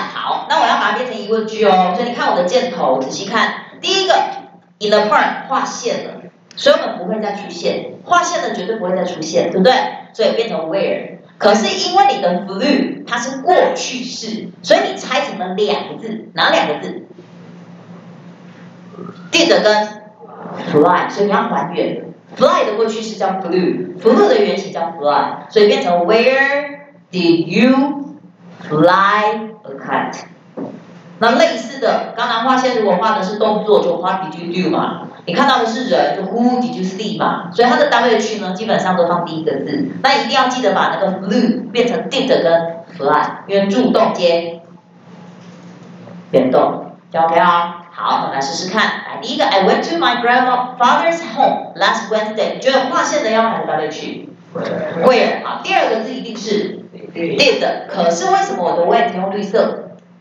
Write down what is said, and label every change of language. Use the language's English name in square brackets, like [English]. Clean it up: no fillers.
[Chinese] 好，那我要把它变成疑问句哦。所以你看我的箭头，仔细看，第一个 [English] in the park [Chinese] 画线了，所以我们不会再出现，画线了绝对不会再出现，对不对？所以变成 where。可是因为你的 flew 它是过去式，所以你猜成了两个字，哪两个字 ？did 跟 fly， 所以你要还原。 Fly 的过去式叫 flew，flew 的原型叫 fly， 所以变成 [English] Where did you fly a kite？ [Chinese] 那类似的，刚刚画线如果画的是动作，就 [English] What did you do [Chinese] 嘛？你看到的是人，就 [English] Who did you see [Chinese] 嘛？所以它的 WH 呢，基本上都放第一个字。那一定要记得把那个 flew 变成 did 跟 fly， 因为助动接原动，这样 OK 啊？好，我们来试试看。来，第一个 [English] ，I went to my grandfather's home last Wednesday。 [Chinese] 你觉得划线的要哪个 WH？ [English] Where？ [Chinese] 好，第二个字一定是 did。可是为什么我的 went 用绿色？